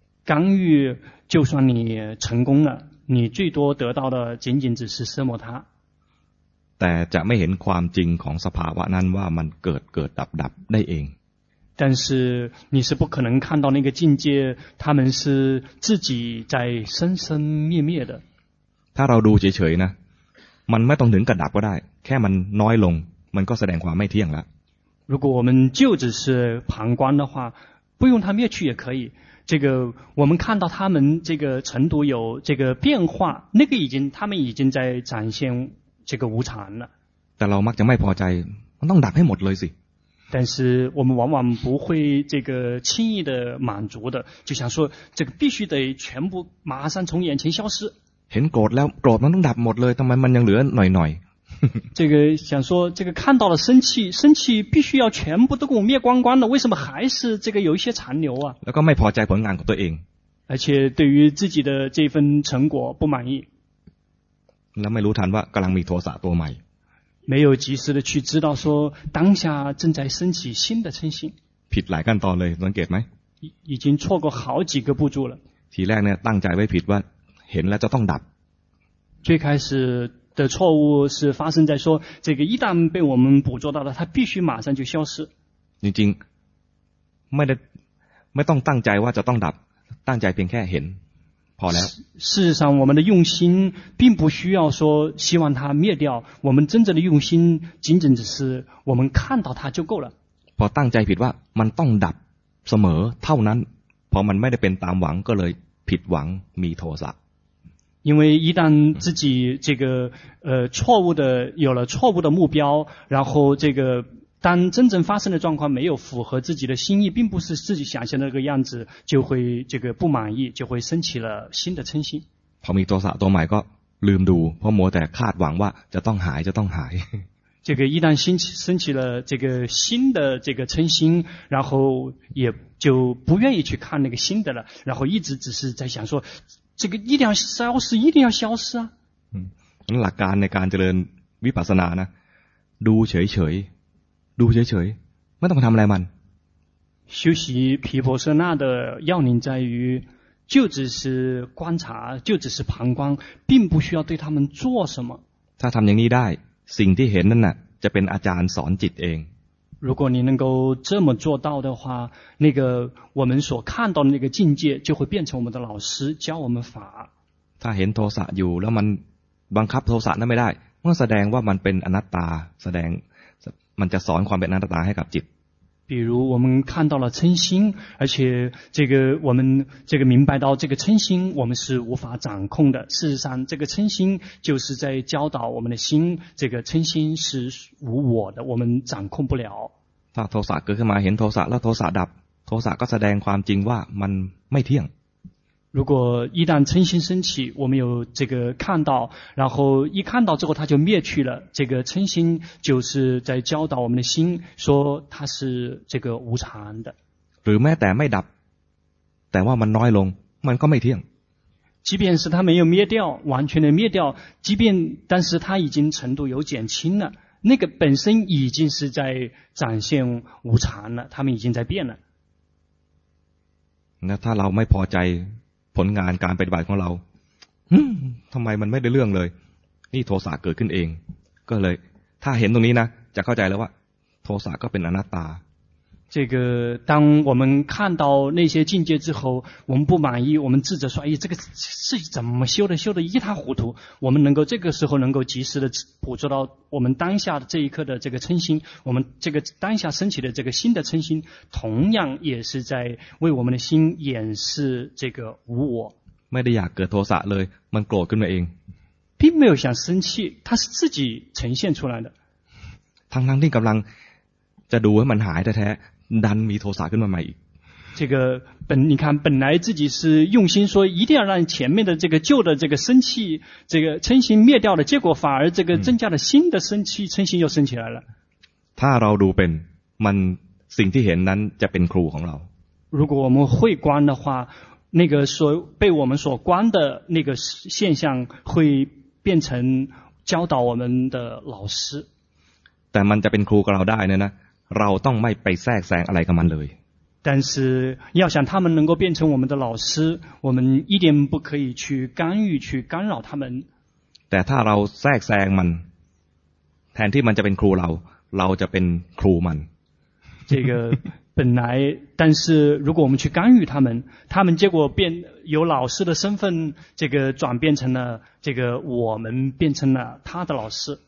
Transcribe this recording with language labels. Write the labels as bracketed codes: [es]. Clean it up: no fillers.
[zh] 干预就算你成功了你最多得到的仅仅只是奢摩他 [th] แต่จะไม่เห็นความจริงของสภาวะนั้นว่ามันเกิดดับได้เอง [zh] 但是你是不可能看到那个境界他们是自己在生生灭灭的 [th] ถ้าเราดูเฉยๆนะมันไม่ต้องถึงกระดับก็ได้แค่มันน้อยลงมันก็แสดงความไม่เที่ยงแล้ว [zh] 如果我们就只是旁观的话不用它灭去也可以这个我们看到他们这个程度有这个变化那个已经他们已经在展现这个无常了 [th] แต่เรามักจะไม่พอใจมันต้องดับให้หมดเลยสิ [zh] 但是我们往往不会这个轻易的满足的就想说这个必须得全部马上从眼前消失 [th] เห็นโกรธแล้วโกรธมันต้องดับหมดเลยทำไมมันยังเหลือหน่อยหน่อย [zh] 这个想说这个看到了生气必须要全部都给我灭光光的为什么还是这个有一些残留啊 [th] แล้วก็ไม่พอใจผลงานของตัวเอง [zh] 而且对于自己的这份成果不满意 [th] แล้วไม่รู้ทันว่ากำลังมีโทสะตัวใหม่ [zh] 没有及时的去知道说当下正在升起新的嗔心 [th] ผิดหลายขั้นตอนเลยสังเกตไหม [zh] 已经错过好几个步骤了 [th] ทีแรกเนี่ยตั้งใจไว้ผิดว่าเห็นแล้วจะต้องดับ [zh] 最开始的错误是发生在说这个一旦被我们捕捉到了它必须马上就消失 [th] จริงๆไม่ต้องตั้งใจว่าจะต้องดับตั้งใจเพียงแค่เห็นพอแล้ว [zh] 事实上我们的用心并不需要说希望它灭掉我们真正的用心仅仅只是我们看到它就够了 [th] พอตั้งใจผิดว่ามันต้องดับเสมอเท่านั้นพอมันไม่ได้เป็นตามหวังก็เลยผิดหวังมีโทสะ [zh] 因为一旦自己这个错误的有了错误的目标然后这个当真正发生的状况没有符合自己的心意并不是自己想象的那个样子就会这个不满意就会升起了新的嗔心 [th] พอมีโทสะตัวใหม่ก็ลืมดูเพราะมัวแต่คาดหวังว่าจะต้องหายจะต้องหาย [zh] 这个一旦升起了这个新的这个嗔心然后也就不愿意去看那个新的了然后一直只是在想说这个一定要消失，一定要消失啊！ [th] 嗯，หลักการในการเจริญวิปัสสนานะ，ดูเฉยเฉย，ดูเฉยเฉย，ไม่ต้องทำอะไรมัน。 [zh] 修习毗婆舍那的要领在于，就只是观察，就只是旁观，并不需要对他们做什么。 [th] ถ้าทำอย่างนี้ได้，สิ่งที่เห็นนั่นน่ะจะเป็นอาจารย์สอนจิตเอง。 [zh] 如果你能够这么做到的话那个我们所看到的那个境界就会变成我们的老师教我们法 [th] 他เห็นโทสะอยู่แล้วมันบังคับโทสะนั้นไม่ได้เมื่อแสดงว่ามันเป็นอนัตตาแสดงมันจะสอนความเป็นอนัตตาให้กับจิต [zh] 比如我们看到了嗔心而且这个我们这个明白到这个嗔心我们是无法掌控的事实上这个嗔心就是在教导我们的心这个嗔心是无我的我们掌控不了 [th] ถ้าโทสะเกิดขึ้นมาเห็นโทสะแล้วโทสะดับโทสะก็แสดงความจริงว่ามันไม่เที่ยง [zh] 如果一旦嗔心升起我们有这个看到然后一看到之后它就灭去了这个嗔心就是在教导我们的心说它是这个无常的 [th] หรือแม้แต่ไม่ดับแต่ว่ามันน้อยลงมันก็ไม่เที่ยง [zh] 即便是它没有灭掉完全的灭掉即便但是它已经程度有减轻了那个本身已经是在展现无常了它们已经在变了 [th] 那ถ้าเราไม่พอใจผลงานการปฏิบัติของเราทำไมมันไม่ได้เรื่องเลย นี่โทสะเกิดขึ้นเองก็เลยถ้าเห็นตรงนี้นะจะเข้าใจแล้วว่าโทสะก็เป็นอนัตตา [zh] 这个当我们看到那些境界之后我们不满意我们自责说哎这个是怎么修的修的一塌糊涂我们能够这个时候能够及时的捕捉到我们当下的这一刻的这个嗔心我们这个当下升起的这个新的嗔心同样也是在为我们的心掩饰这个无我 [th] ไม่ได้อยากเกิดโทสะเลยมันโกรธขึ้นมาเอง [zh] 并没有想生气它是自己呈现出来的 [th] ทั้งที่กำลังจะดูให้มันหายแท้ดันมีโทสะขึ้นมาใหม่อีก [zh] 这个本你看本来自己是用心说一定要让前面的这个旧的这个生气这个嗔心灭掉的结果反而这个增加了新的生气嗔心又升起来了 [th] ถ้าเราดูเป็นมันสิ่งที่เห็นนั้นจะเป็นครูของเรา [zh] 如果我们会观的话那个所被我们所观的那个现象会变成教导我们的老师 [th] แต่มันจะเป็นครูกับเราได้นะเราต้องไม่ไปแทรกแซงอะไรกับมันเลย [zh] 但是要想他们能够变成我们的老师我们一点不可以去干预去干扰他们 [th] แต่ถ้าเราแทรกแซงมันแทนที่มันจะเป็นครูเราจะเป็นครูมัน [zh] 这个本来但是如果我们去干预他们结果变由老师的身份这个转变成了这个我们变成了他的老师